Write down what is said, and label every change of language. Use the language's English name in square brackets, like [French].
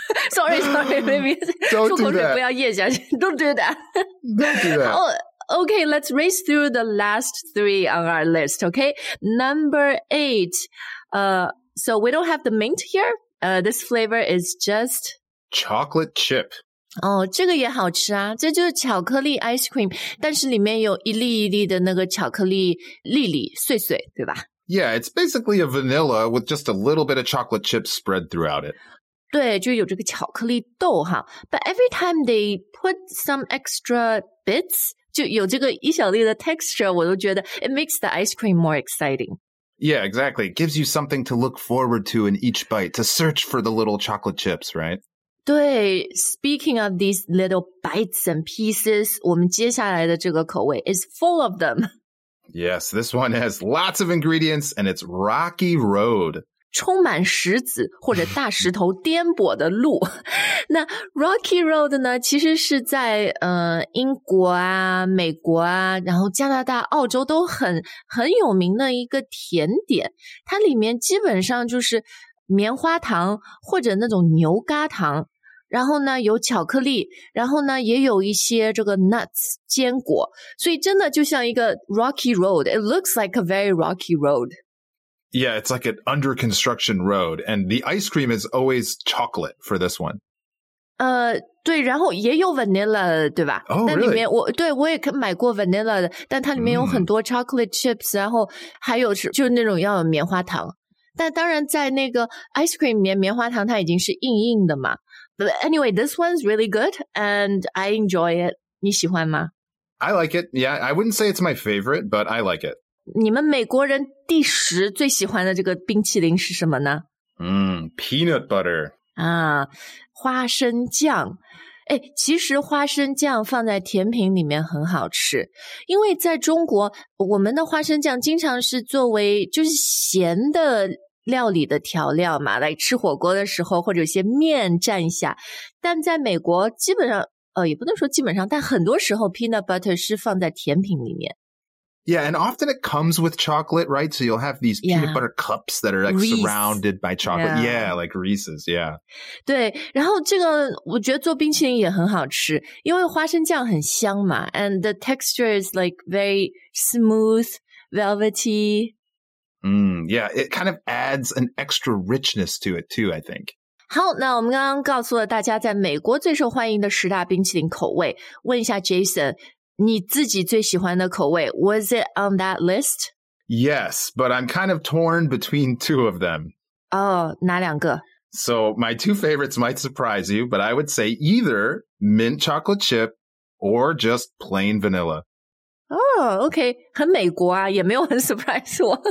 [English] sorry, maybe. Don't do that. [Chinese] 漱口水不要咽下去。 [English] Don't do that. Don't do that. Okay, let's race through the last three on our list, okay? Number eight. So we don't have the mint here. This flavor is just... Chocolate chip. [Chinese] 哦，这个也好吃啊，这就是巧克力 ice cream， 但是里面有一粒一粒的那个巧克力粒粒碎碎，对吧？ [English] Yeah, it's basically a vanilla with just a little bit of chocolate chip spread throughout it. [Chinese] 对，就有这个巧克力豆哈。 [English] But every time they put some extra bits, [Chinese] 就有这个一小粒的 [English] texture, [Chinese] 我都觉得 [English] it makes the ice cream more exciting. Yeah, exactly. It gives you something to look forward to in each bite, to search for the little chocolate chips, right? 对, speaking of these little bites and pieces, [Chinese] 我们接下来的这个口味 [English] is full of them. Yes, this one has lots of ingredients and it's rocky road. [Chinese] 充满石子或者大石头颠簸的路。那 rocky road 呢其实是在英国啊美国啊然后加拿大澳洲都很有名的一个甜点。它里面基本上就是棉花糖或者那种牛轧糖然后呢有巧克力然后呢也有一些这个 nuts, 坚果。所以真的就像一个 rocky road, [English] it looks like a very rocky road. Yeah, it's like an under construction road, and the ice cream is always chocolate for this one. [Chinese] 对，然后也有 vanilla, 对吧？ [English] Oh, really? [Chinese] 但里面我对我也买过 vanilla 的，但它里面有很多 chocolate chips, 然后还有就那种要有棉花糖。但当然，在那个 ice cream 里面，棉花糖它已经是硬硬的嘛。 [English] But anyway, this one's really good, and I enjoy it. [Chinese] 你喜欢吗？ [English] I like it. Yeah, I wouldn't say it's my favorite, but I like it. [Chinese] 你们美国人第十最喜欢的这个冰淇淋是什么呢？ [English] peanut butter. [Chinese] 啊，花生酱。哎，其实花生酱放在甜品里面很好吃，因为在中国，我们的花生酱经常是作为就是咸的料理的调料嘛，来吃火锅的时候或者有些面蘸一下。但在美国，基本上也不能说基本上，但很多时候 peanut butter 是放在甜品里面。 [English] Yeah, and often it comes with chocolate, right? So you'll have these peanut butter cups that are like surrounded by chocolate. Yeah, like Reese's, yeah. [Chinese] 对，然后这个我觉得做冰淇淋也很好吃，因为花生酱很香嘛， [English] and the texture is like very smooth, velvety. Yeah, it kind of adds an extra richness to it too, I think. [Chinese] 好，那我们刚刚告诉了大家在美国最受欢迎的十大冰淇淋口味，问一下 Jason。你自己最喜欢的口味 [English] was it on that list? Yes, but I'm kind of torn between two of them. [Chinese] Oh, 哪两个? [English] So my two favorites might surprise you, but I would say either mint chocolate chip or just plain vanilla. Oh, okay. [Chinese] 很美国啊，也没有很 surprise 我。